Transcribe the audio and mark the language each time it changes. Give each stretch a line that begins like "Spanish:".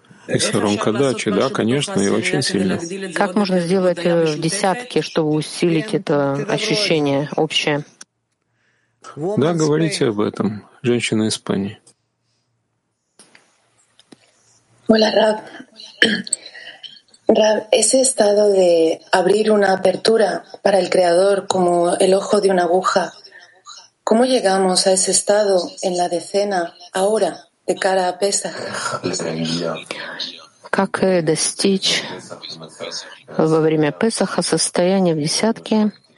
Russian: Хисаронка дачи, да, конечно, и очень сильно. Как можно сделать в десятке, чтобы усилить это ощущение общее? Да, говорите об этом, женщина из Испании.
Spanish: Hola, Rab. Rab, ese estado de abrir una apertura para el creador como el ojo de una aguja. ¿Cómo llegamos a ese estado en la decena ahora?
Russian: Как достичь во время Песаха состояния в десятке,